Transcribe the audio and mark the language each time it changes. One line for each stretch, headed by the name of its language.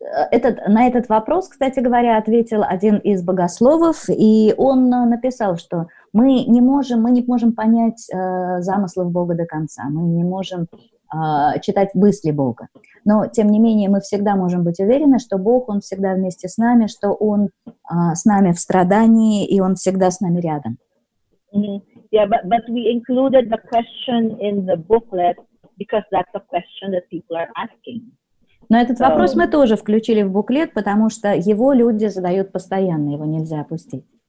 Russian: Этот, на этот вопрос, кстати говоря, ответил один из богословов, и он написал, что мы не можем понять замыслов Бога до конца, мы не можем читать мысли Бога. Но, тем не менее, мы всегда можем быть уверены, что Бог, Он всегда вместе с нами, что Он с нами в страдании, и Он всегда с нами рядом.
English: But we included the question in the booklet because that's a question that people are asking.
Russian: Но этот вопрос мы тоже включили в буклет, потому что его люди задают постоянно, его нельзя опустить.